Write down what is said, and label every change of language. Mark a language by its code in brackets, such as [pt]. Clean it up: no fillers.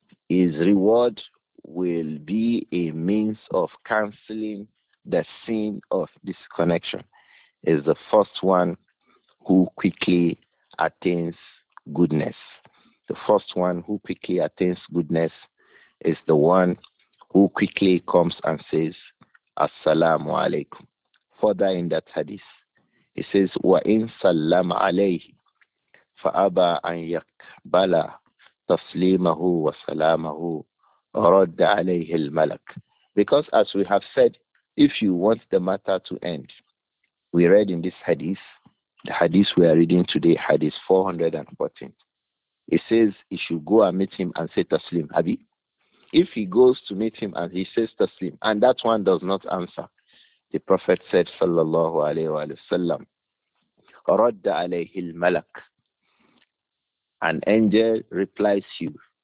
[en] reward will be a means of cancelling the sin of disconnection, is the first one who quickly attains goodness. The first one who quickly attains goodness is the one who quickly comes and says, Assalamu alaikum. [ar] Further in that hadith, he says, وَإِن سَلَّمْ عَلَيْهِ فَأَبَى أَنْ يَقْبَلَ تَسْلِيمَهُ وَسَلَامَهُ رَدَّ عَلَيْهِ الْمَلَكِ. [en] Because as we have said, if you want the matter to end, we read in this hadith, the hadith we are reading today, hadith 414. It says, you should go and meet him and say, Taslim, Abi. If he goes to meet him and he says, Taslim, and that one does not answer, the Prophet said, sallallahu alayhi wa sallam, [ar] رَدَّ عَلَيْهِ الْمَلَكِ, [en] an angel replies you.